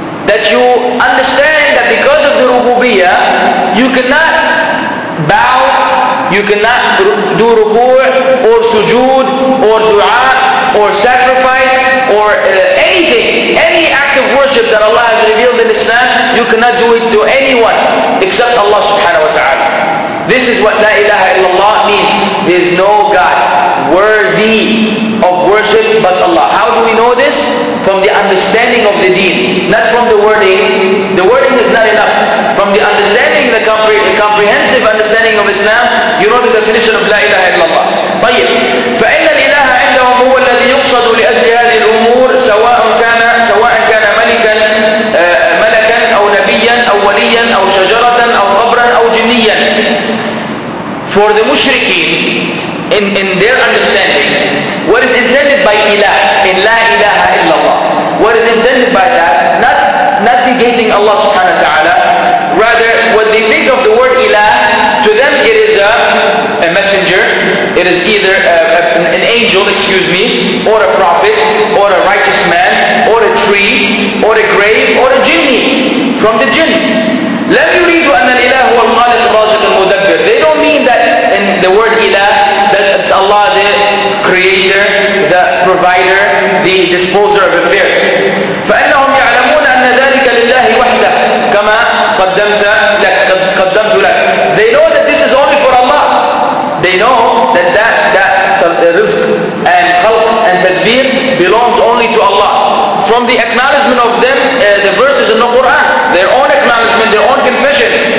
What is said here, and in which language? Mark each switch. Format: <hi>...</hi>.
<en>That you understand that because of the rububiyyah, you cannot bow, you cannot do ruku' or sujood or dua or sacrifice or anything, any act of worship that Allah has revealed in Islam, you cannot do it to anyone except Allah subhanahu wa ta'ala. This is what la ilaha illallah means. There is no God worthy. degree of worship but Allah. How do we know this? From the understanding of the deen, not from the wording. The wording is not enough. From the understanding, the comprehensive understanding of Islam, you know the definition of La ilaha illallah.</en> <ar>طيب. فإن الإله عندهم هو الذي يقصد لأجل هذه الأمور سواء كان ملكا ملكا أو نبيا أو وليا أو شجرة أو قبرا أو جنيا.</ar> <en>For the mushrikeen, in their understanding, what is intended by ilah? In La ilaha illallah. What is intended by that? Not negating Allah subhanahu wa ta'ala. Rather, what they think of the word ilah, to them it is a messenger. It is either an angel, excuse me, or a prophet, or a righteous man, or a tree, or a grave, or a genie. From the jinn.</en> <ar>لم يريد أن الإله هو الخالق الرازق المدبر.</ar> <en>They don't mean that in the word ilah, that it's Allah the creator, the provider, the disposer of affairs.</en> <ar>فإنهم يعلمون أن ذلك لله وحده كما قدمت لك.</ar> <en>They know that this is only for Allah. They know that rizq and khalq and tadbir belongs only to Allah. From the acknowledgement of them, the verses in the Quran, their own acknowledgement, their own confession.</en>